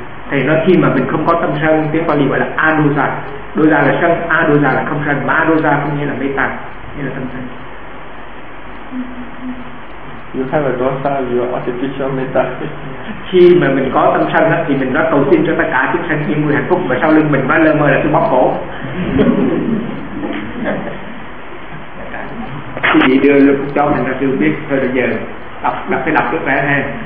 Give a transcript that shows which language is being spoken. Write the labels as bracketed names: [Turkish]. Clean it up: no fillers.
[Vietnamese] Thầy nói khi mà mình không có tâm sân, tiếng Pali gọi là adosa. Dosa là sân, adosa là không sân, mà adosa không nghĩa là meta, nghĩa là tâm sân. [English] You have a dosa, you are artificial meta. [Vietnamese] Khi mà mình có tâm sân thì mình nói cầu xin cho tất cả chúng sanh yên vui hạnh phúc, và sau lưng mình nói lơ mơ là tôi bóp cổ. Chị đưa lưng cho mình ra chưa biết. Thôi bây giờ đọc trước vẻ ha.